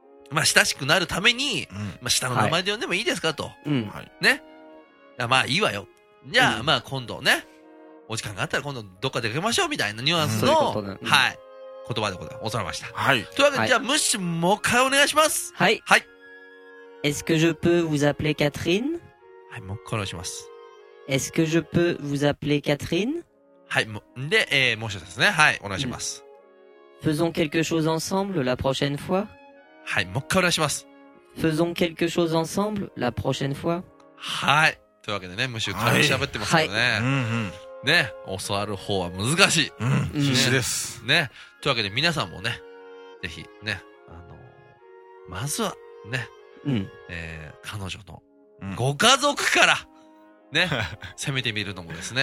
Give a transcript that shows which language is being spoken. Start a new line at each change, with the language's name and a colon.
Japanese: まあ、親しくなるために、うん、まあ、下の名前で呼んでもいいですかと。はい、ね。まあ、いいわよ。じゃあ、うん、まあ、今度ね、お時間があったら今度どっか出かけましょうみたいなニュアンスの、うん、はい。言葉でございます。恐れました。はい。というわけで、じゃあ、ムッシュ、もう一回お願いします。はい。はい。
French: Est-ce que je peux vous appeler Catherine?
Japanese: はい、もう一回お願いします。
French: Est-ce que je peux vous appeler Catherine?
Japanese: はい、もう、で、もう一つですね。はい、お願いします。
French: Faisons quelque chose ensemble la prochaine fois?
Japanese: はい、もう一回お願いします。
French: Faisons quelque chose ensemble la prochaine fois?
Japanese: はい。というわけでね、ムッシュ、喋ってますけどね。はい。うんうん。ね、教わる方は難しい。うん、必死です。ね、というわけで皆さんもね、ぜひね、まずはね、うん、彼女のご家族からね、うん、攻めてみるのもですね、